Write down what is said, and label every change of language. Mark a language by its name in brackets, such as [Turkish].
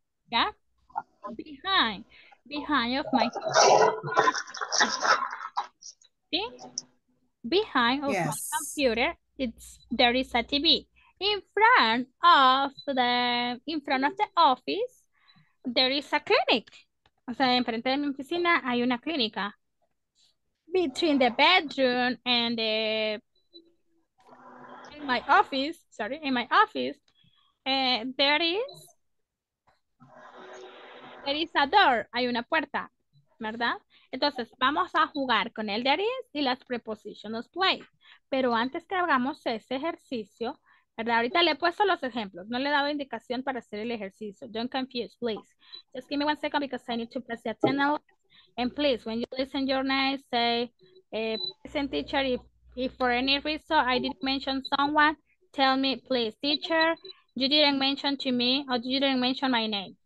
[English] Yeah? Behind of my computer. See? Behind of yes. My computer, there is a TV. In front of the office, there is a clinic. [Spanish] O sea, enfrente de mi oficina hay una clínica. [English] Between the bedroom and the in my office, there is a door, [Spanish] hay una puerta, ¿verdad? Entonces, vamos a jugar con el there is y las prepositions place. Pero antes que hagamos ese ejercicio, ¿verdad? Ahorita le he puesto los ejemplos, no le he dado indicación para hacer el ejercicio. [English] Don't confuse, please. Just give me one second because I need to press the attendance. And please, when you listen your name, say, present teacher, if for any reason I didn't mention someone, tell me, please, teacher, you didn't mention to me or you didn't mention my name.